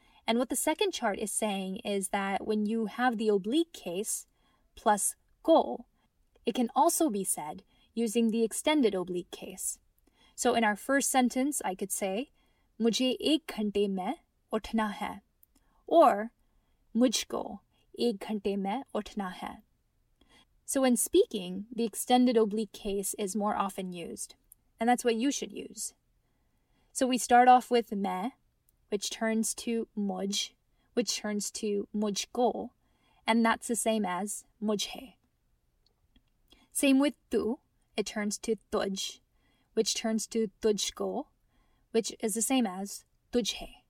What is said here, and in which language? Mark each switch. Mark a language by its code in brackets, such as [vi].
[en] And what the second chart is saying is that when you have the oblique case plus goal, it can also be said using the extended oblique case. [hi] So in our first sentence, I could say, मुझे एक घंटे में उठना है. Or, मुझको एक घंटे में उठना है. [en] So when speaking, the extended oblique case is more often used. And that's what you should use. So we start off with में, which turns to मुझ, which turns to मुझको. And that's the same as मुझे. Same with तू, it turns to तुझ, which turns to तुझको, which is the same as तुझे.